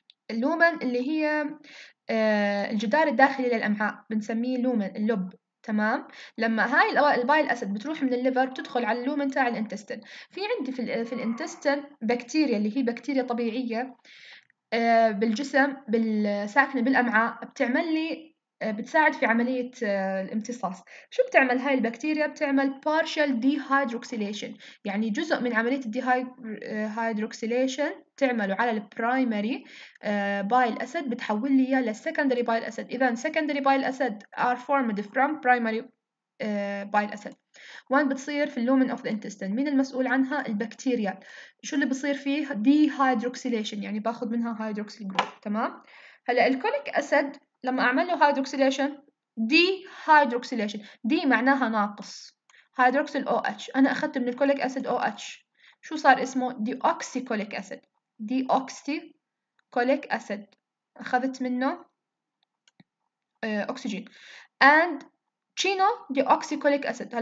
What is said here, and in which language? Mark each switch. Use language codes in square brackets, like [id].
[ar] اللومن اللي هي الجدار الداخلي للأمعاء بنسميه لومن اللب، تمام؟ لما هاي البايل أسد بتروح من الليفر بتدخل على اللومن تاع الانتستين، في عندي في الانتستين بكتيريا اللي هي بكتيريا طبيعية بالجسم بالساكنة بالأمعاء، بتعمل لي بتساعد في عملية الامتصاص. شو بتعمل هاي البكتيريا؟ بتعمل partial dehydroxylation، يعني جزء من عملية dehydroxylation تعمله على primary bile acid بتحول لي إياه secondary bile acid. إذا [en] secondary bile acid are formed from primary bile acid، [ar] وين بتصير؟ في [en] lumen of the intestine. [ar] مين المسؤول عنها؟ البكتيريا. شو اللي بصير فيه؟ dehydroxylation، يعني باخد منها hydroxyl group، تمام؟ هلأ الكوليك أسد لما أعمله hydroxylation دي hydroxylation دي معناها ناقص hydroxyl OH، أنا أخذت من الكوليك أسد OH، شو صار اسمه؟ deoxycholic acid، deoxycholic acid أخذت منه أكسجين and chino deoxycholic acid.